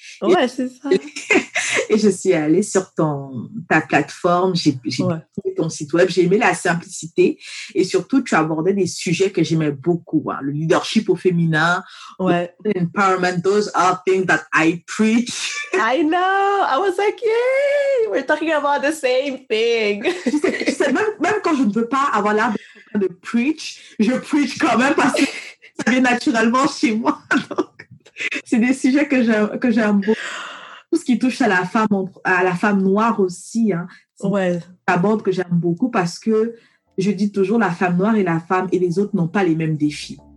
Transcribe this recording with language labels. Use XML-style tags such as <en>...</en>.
<fr>Ouais, c'est ça. Et je suis allée sur ta plateforme, j'ai vu ton site web, j'ai aimé la simplicité et surtout tu abordais des sujets que j'aimais beaucoup, hein, le leadership au féminin, empowerment,</fr> <en>those are things that I preach. I know, I was like, yay, we're talking about the same thing.</en> <fr>Tu sais, même quand je ne veux pas avoir l'air de preach, je preach quand même parce que vient naturellement chez moi. Donc, c'est des sujets que j'aime beaucoup. Tout ce qui touche à la femme noire aussi, hein, c'est ouais. un aborde que j'aime beaucoup parce que je dis toujours la femme noire et la femme et les autres n'ont pas les mêmes défis.</fr>